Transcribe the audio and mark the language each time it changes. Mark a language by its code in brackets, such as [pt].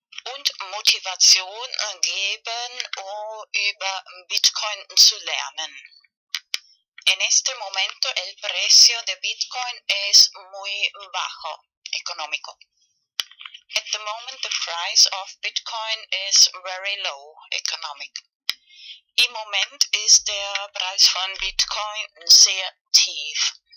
[de] und Motivation geben, um über Bitcoin zu lernen. [es] En este momento el precio de Bitcoin es muy bajo, económico. [en] At the moment, the price of Bitcoin is very low, economic. [de] Im Moment ist der Preis von Bitcoin sehr tief.